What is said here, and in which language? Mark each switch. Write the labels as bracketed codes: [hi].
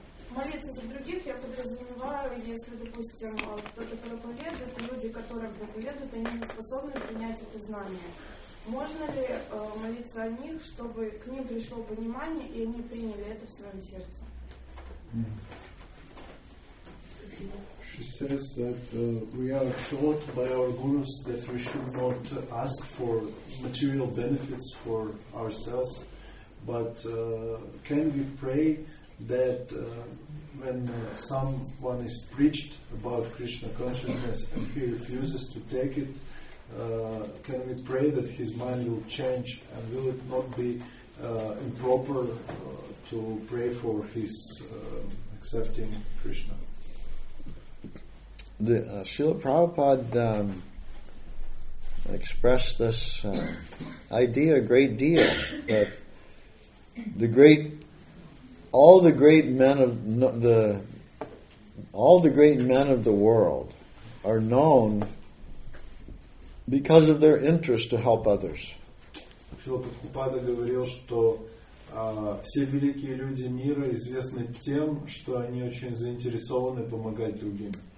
[ru] Молиться за других я подразумеваю, если, допустим, кто-то проповедует, и люди, которые проповедуют, они не способны принять это знание. Можно ли молиться о них, чтобы к ним пришло понимание, и они приняли это в своем сердце? [en] She says that we are taught by our gurus that we should not ask for material benefits for ourselves, but can we pray that when someone is preached about Krishna consciousness and he refuses to take it, can we pray that his mind will change and will it not be improper to pray for his accepting Krishna? The Srila Prabhupada expressed this idea a great deal that all the great men of the world are known because of their interest to help others. [ru] Srila Prabhupada говорил, что все великие люди мира известны тем, что они очень заинтересованы помогать другим.